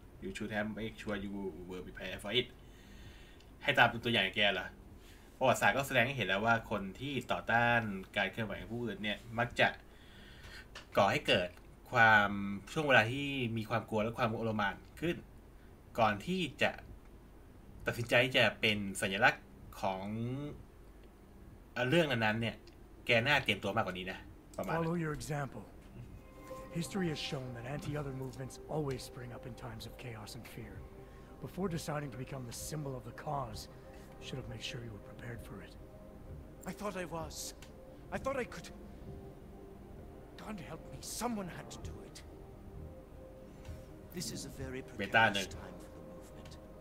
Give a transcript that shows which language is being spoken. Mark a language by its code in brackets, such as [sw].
[en] You should have make sure you were prepared for it. [th] ให้ตามตัวอย่างแกเหรอประวัติศาสตร์ก็แสดงให้เห็นแล้วว่าคนที่ต่อต้านการเคลื่อนไหวของผู้อื่นเนี่ยมักจะก่อให้เกิดความช่วงเวลาที่มีความกลัวและความโอลมานขึ้นก่อนที่จะตัดสินใจจะเป็นสัญลักษณ์ของเรื่องนั้นเนี่ยแกน่าเตรียมตัวมากกว่านี้นะประมาณ [en] Follow your example. History has shown that anti-other movements always spring up in times of chaos and fear. Before deciding to become the symbol of the cause, should have made sure you were prepared for it. I thought I was. I thought I could. God help me, someone had to do it. This is a very precarious time for the movement.